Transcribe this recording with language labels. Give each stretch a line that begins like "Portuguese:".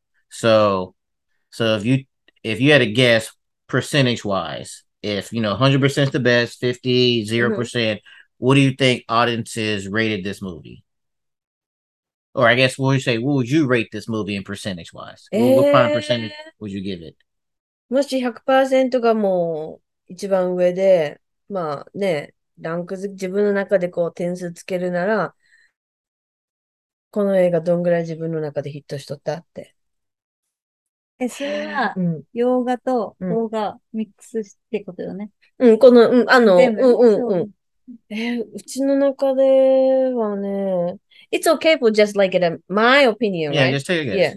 English: So if you had a guess percentage wise, if you know 100% is the best, 50, 0%, mm-hmm. what do you think audiences rated this movie? Or I guess what would you rate this movie in percentage wise? What kind of percentage would you give it?
Japanese: もし 100% がもう一番上で、まあね、ランク自分の中でこう点数つけるなら、この映画どんぐらい自分の中でヒットしとったって。え、それは、洋画と邦画ミックスってことよね。うん、うん、この、うん、あの、うん、うん、うん。うちの中ではね、
English: It's okay for just like it, my opinion, right? Yeah, just take a guess.